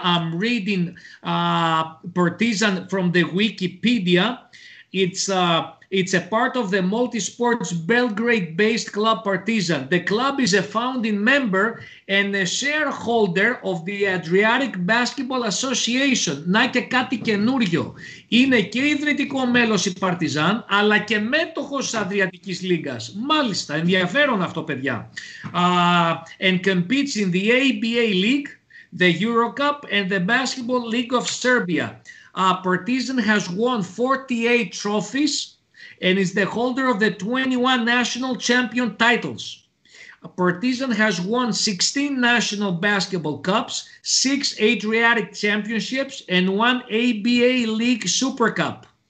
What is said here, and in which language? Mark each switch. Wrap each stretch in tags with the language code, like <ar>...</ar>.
<en>I'm reading Partizan from the Wikipedia. It's a part of the multi-sports Belgrade-based club Partizan. The club is a founding member and a shareholder of the Adriatic Basketball Association.</en> <el>Να και κάτι καινούριο. Είναι και ιδρυτικό μέλος η Partizan, αλλά και μέτοχος Αδριατικής Λίγας. Μάλιστα, ενδιαφέρον αυτό, παιδιά.</el> <en>And competes in the ABA League, the Eurocup and the Basketball League of Serbia. Partizan has won 48 trophies and is the holder of the 21 national champion titles. Partizan has won 16 national basketball cups, 6 Adriatic championships, and 1 ABA League Super Cup.</en>